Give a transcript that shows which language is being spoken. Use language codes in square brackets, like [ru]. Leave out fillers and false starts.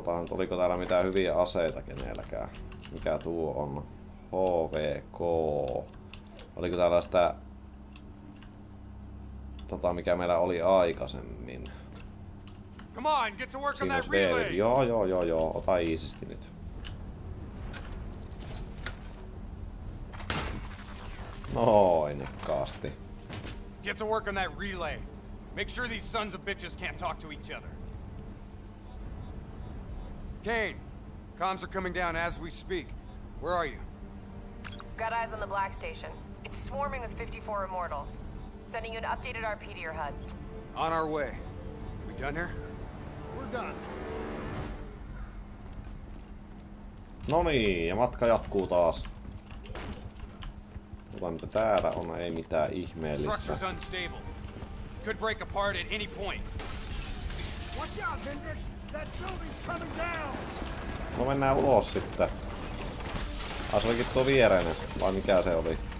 [fi] Oliko täällä mitään hyviä aseita kenelläkään? Mikä tuo on? HVK. Oliko täällä sitä... mikä meillä oli aikaisemmin? [en] Come on, get to work on that relay. [fi] Joo. Ota iisisti nyt. Noin, kaasti. [en] Get to work on that relay. Make sure these sons of bitches can't talk to each other. Kane, comms are coming down as we speak. Where are you? Got eyes on the Black Station. It's swarming with 54 Immortals. Sending you an updated RP to your HUD. On our way. We done here? We're done. [fi] No niin, ja matka jatkuu taas. Kuka mitä täällä on, ei mitään ihmeellistä. [en] Could break apart at any point. Watch out, Hendrix! That building's coming down! [fi] No mennään ulos sitten. Ai se olikin tuo viereinen, vai mikä se oli?